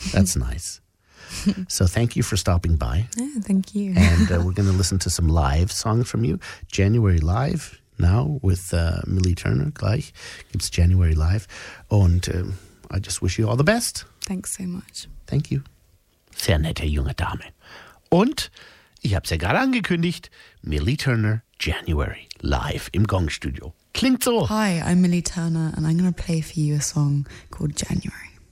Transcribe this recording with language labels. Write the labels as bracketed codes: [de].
[en] That's nice. So thank you for stopping by. Yeah, thank you. And we're going to listen to some live songs from you. January Live now with Millie Turner gleich. It's January Live. And I just wish you all the best. Thanks so much. Thank you. [de] Sehr nette junge Dame. Und ich habe es ja gerade angekündigt, Millie Turner, January, live im Gong-Studio. Klingt so. [en] Hi, I'm Millie Turner and I'm going to play for you a song called January.